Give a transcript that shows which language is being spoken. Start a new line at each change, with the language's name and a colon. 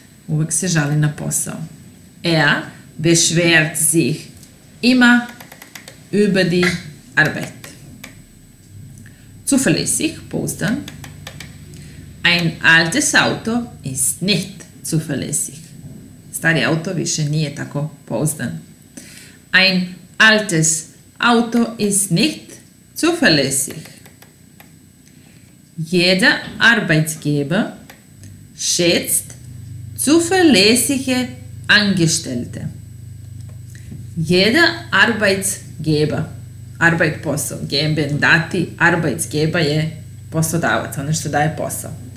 Serbian: Uvijek se žali na posao.
German: Er beschwert sich immer über die Arbeit. Zuverlässig, pouzdan. Ein altes Auto ist nicht zuverlässig.
Serbian: Stari auto više nije tako pouzdan.
German: Ein altes Auto ist nicht zuverlässig. Jeder Arbeitgeber schätzt zuverlässige Angestellte. Jeder Arbeitgeber.
Serbian: Arbeit posao, geben, dati, Arbeitsgeber je poslodavac, ono što daje posao.